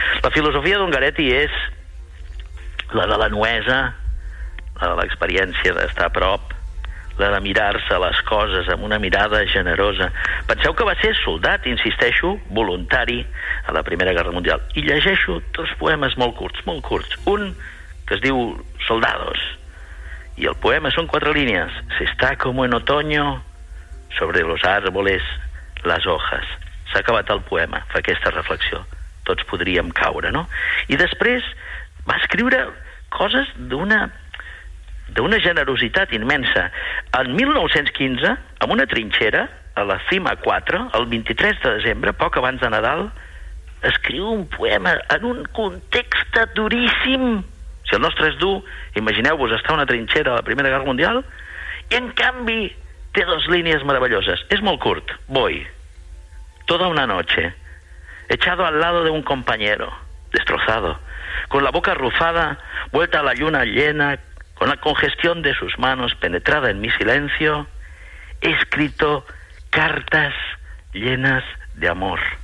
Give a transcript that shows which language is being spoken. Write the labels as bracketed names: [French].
[Catalan] La filosofia d'Ungaretti és la de la nuesa, la de l'experiència d'estar a prop, la de mirar-se les coses amb una mirada generosa. Penseu que va ser soldat, insisteixo, voluntari a la Primera Guerra Mundial. I llegeixo dos poemes molt curts, molt curts. Un que es diu Soldados. I el poema són quatre línies. [Spanish] Se está como en otoño sobre los árboles las hojas. [Catalan] S'ha acabat el poema, fa aquesta reflexió. Tots podríem caure, no? I després va escriure coses d'una generositat immensa. En 1915, en una trinxera, a la cima 4, el 23 de desembre, poc abans de Nadal, escriu un poema en un context duríssim. Si el nostre és dur, imagineu-vos estar a una trinxera a la Primera Guerra Mundial, i en canvi té dos línies meravelloses. És molt curt. [Spanish] Voy, toda una noche, echado al lado de un compañero, destrozado, con la boca arrufada, vuelta a la luna llena, con la congestión de sus manos penetrada en mi silencio, he escrito cartas llenas de amor.